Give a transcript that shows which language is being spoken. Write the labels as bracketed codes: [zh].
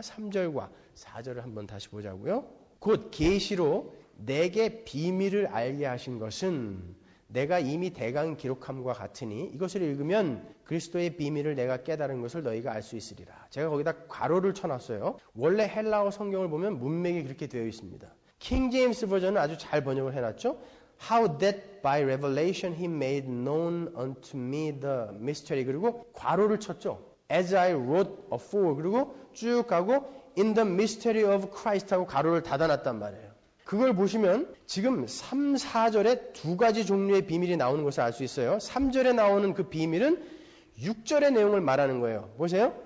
[ko] 3절과 4절을 한번 다시 보자고요. 곧 계시로 내게 비밀을 알게 하신 것은 내가 이미 대강 기록함과 같으니 이것을 읽으면 그리스도의 비밀을 내가 깨달은 것을 너희가 알 수 있으리라. 제가 거기다 괄호를 쳐놨어요. 원래 헬라어 성경을 보면 문맥이 그렇게 되어 있습니다. 킹 제임스 버전은 아주 잘 번역을 해놨죠. [en] How that by revelation he made known unto me the mystery. [ko] 그리고 괄호를 쳤죠. [en] As I wrote afore. [ko] 그리고 쭉 가고 [en] in the mystery of Christ [ko] 하고 괄호를 닫아놨단 말이에요. 그걸 보시면 지금 3, 4절에 두 가지 종류의 비밀이 나오는 것을 알 수 있어요. 3절에 나오는 그 비밀은 6절의 내용을 말하는 거예요. 보세요.